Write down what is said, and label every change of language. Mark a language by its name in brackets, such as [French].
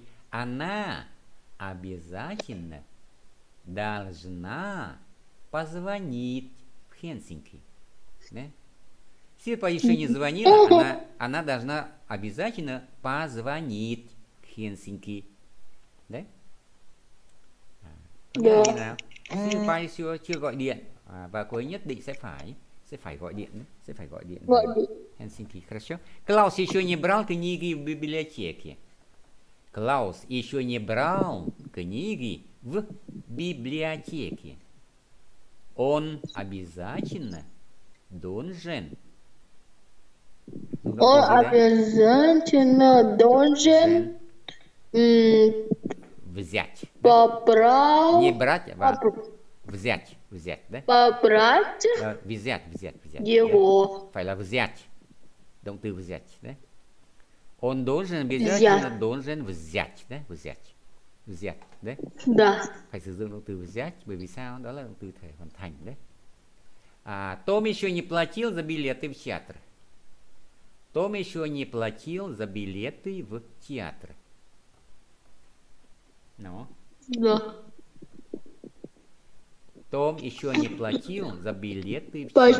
[Russian] Она обязательно должна позвонить в Хельсинки. Да? Сирпа еще не звонила, она должна обязательно позвонить в Хельсинки. Да? Окей, Да. [Vietnamese] нào. Сирпа еще chưa gọi điện. Và cô ấy nhất định sẽ phải gọi điện, sẽ phải gọi điện về Helsinki. [Russian] Хорошо. Клаус еще не брал книги в библиотеке. Клаус еще не брал книги в библиотеке. Он обязательно должен. Он обязательно должен взять, да? Попрал Не брать, а взять, да? попрать Взять. его. [Vietnamese] Phải là взять. Động từ взять, да? [Russian] Он должен, Взять. обязательно должен взять, да? Взять. Взять, да? Да. [Vietnamese] Phải sử dụng động từ взять, bởi vì sao? Đó là động từ thể hoàn thành, да? [Russian] А, Том еще не платил за билеты в театр. Том еще не платил за билеты в театр. Но. Да. Том еще не платил за билеты в театр.